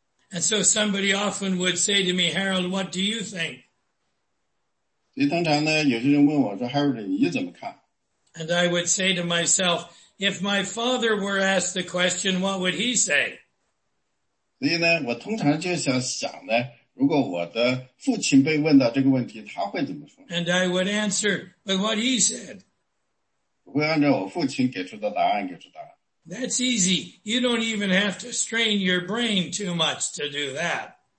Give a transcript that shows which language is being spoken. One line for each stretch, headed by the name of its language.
English: And so somebody often would say to me, Harold, what do you think?
Chinese: 所以通常呢,有些人问我说,Harold,你怎么看?
English: And I would say to myself, if my father were asked the question, what would he say?
Chinese: 所以呢,我通常就想呢, 如果我的父亲被问到这个问题,他会怎么说?
English: And I would answer with what he said.
Chinese: 我会按照我父亲给出的答案给出答案。That's
English: easy. You don't even have to strain your brain too much to do that.